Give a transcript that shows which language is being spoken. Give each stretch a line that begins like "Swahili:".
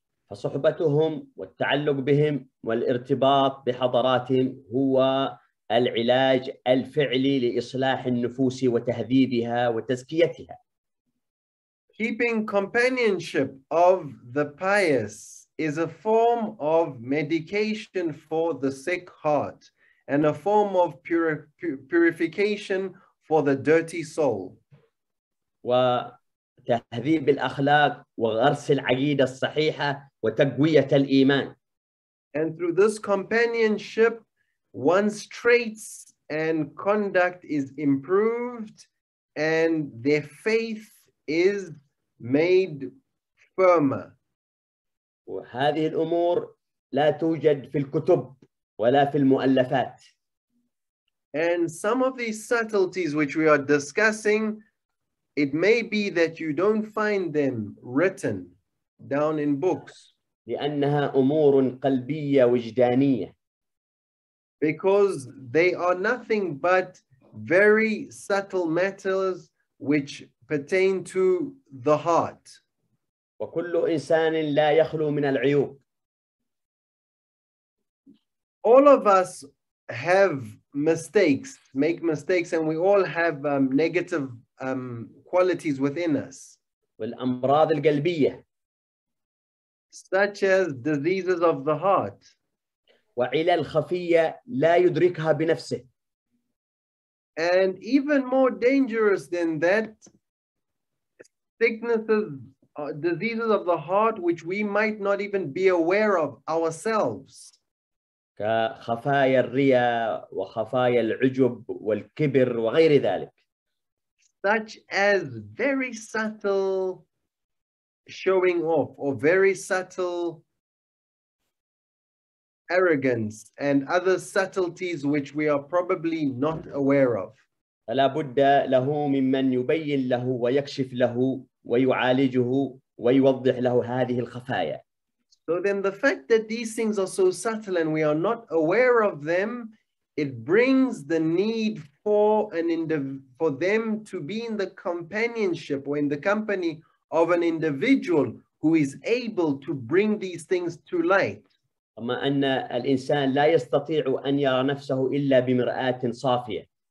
Arabic: فصحبتهم والتعلق بهم والارتباط بحضراتهم هو العلاج الفعلي لإصلاح النفوس وتهذيبها وتزكيتها.
English: Keeping companionship of the pious is a form of medication for the sick heart and a form of purification for the dirty soul.
Arabic: وتهذيب الأخلاق وغرس العقيدة الصحيحة وتقوية الإيمان.
English: And through this companionship, one's traits and conduct is improved and their faith is made firmer.
Arabic: وهذه الأمور لا توجد في الكتب ولا في المؤلفات.
English: And some of these subtleties which we are discussing, it may be that you don't find them written down in books.
Arabic: لأنها أمور قلبية وجدانية.
English: Because they are nothing but very subtle matters which pertain to the heart.
Arabic: وكل إنسان لا يخلو من العيوب.
English: All of us have mistakes, make mistakes, and we all have negative qualities within us.
Arabic: والأمراض القلبية.
English: Such as diseases of the heart.
Arabic: وعلل خفية لا يدركها بنفسه.
English: And even more dangerous than that, sicknesses, diseases of the heart which we might not even be aware of ourselves.
Arabic: كخفايا الرياء وخفايا العجب والكبر وغير ذلك.
English: Such as very subtle showing off or very subtle arrogance and other subtleties which we are probably not aware of.
Arabic: فلا بد له ممن يبين له ويكشف له ويعالجه ويوضح له هذه الخفايا.
English: So then the fact that these things are so subtle and we are not aware of them, it brings the need for an for them to be in the companionship or in the company of an individual who is able to bring these things to light.
Arabic: أما أن الإنسان لا يستطيع أن يرى نفسه إلا بمرآة صافية.